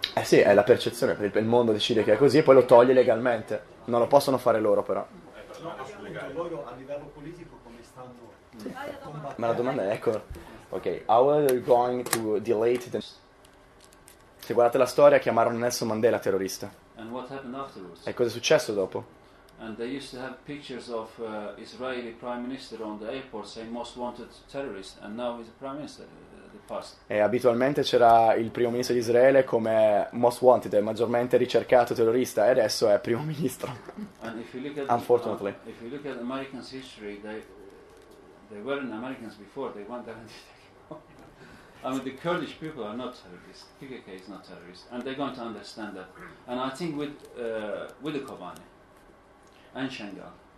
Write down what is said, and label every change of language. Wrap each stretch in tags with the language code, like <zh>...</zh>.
<it>Eh sì, è la percezione, il mondo decide che è così e poi lo toglie legalmente. Non lo possono fare loro, però. No, appunto, loro a livello politico come stanno combattendo? Ma la domanda è, ecco, ok,</it> <en>how are you going to delete the...</en> <it>Se guardate la storia, chiamarono Nelson Mandela terrorista.</it> <en>And what happened afterwards?</en> <it>E cosa è successo dopo?</it> <en>And they used to have pictures of Israeli prime minister on the airport saying most wanted terrorist, and now he's a prime minister.</en> <it>E abitualmente c'era il primo ministro di Israele come</it> <en>most wanted,</en> <it>maggiormente ricercato terrorista, e adesso è primo ministro.</it> <en>And if you look at unfortunately the, if you look at Americans' history, they weren't Americans before, they weren't anything. I mean, the Kurdish people are not terrorists, PKK is not terrorist, and they're going to understand that. And I think with the Kobani and Schengen,</en>